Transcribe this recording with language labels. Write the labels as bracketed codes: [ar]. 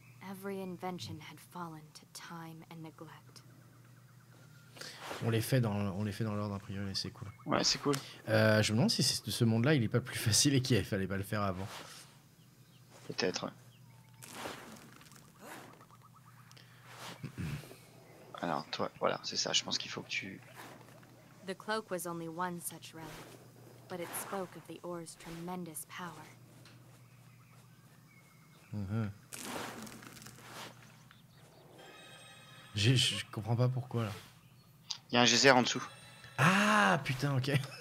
[en] Every invention had fallen to time and neglect. [fr] On les fait dans l'ordre, a priori, c'est cool. Ouais, c'est cool. Je me demande si c'est de ce monde-là, il est pas plus facile et qu'il fallait pas le faire avant. Peut-être. Alors, toi, voilà, c'est ça, je pense qu'il faut que tu. [en] The cloak was only one such relic. But it spoke of the ore's tremendous power. Mm-hmm. [fr] Je comprends pas pourquoi là. Il y a un geyser en dessous. Ah putain, ok.